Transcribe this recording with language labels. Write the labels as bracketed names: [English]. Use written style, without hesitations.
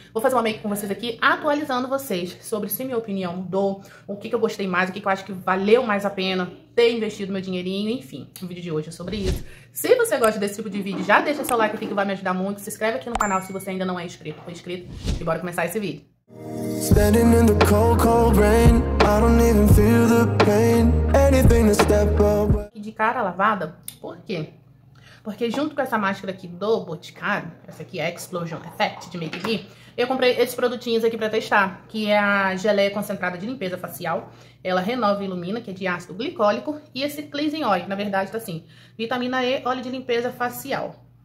[Portuguese] Vou fazer uma make com vocês aqui, atualizando vocês sobre se minha opinião mudou, o que que eu gostei mais, o que que eu acho que valeu mais a pena ter investido meu dinheirinho. Enfim, o vídeo de hoje é sobre isso. Se você gosta desse tipo de vídeo, já deixa seu like aqui que vai me ajudar muito. Se inscreve aqui no canal se você ainda não é inscrito. Foi inscrito e bora começar esse vídeo. [English] Standing in the cold, cold rain. I don't even feel the pain. [Portuguese] Anything to step up. E de cara lavada, por quê? Porque junto com essa máscara aqui do Boticário, essa aqui é a Explosion Effect de Make Me, eu comprei esses produtinhos aqui pra testar, que é a geleia concentrada de limpeza facial. Ela renova e ilumina, que é de ácido glicólico. E esse Cleansing Oil, que na verdade tá assim, vitamina E, óleo de limpeza facial.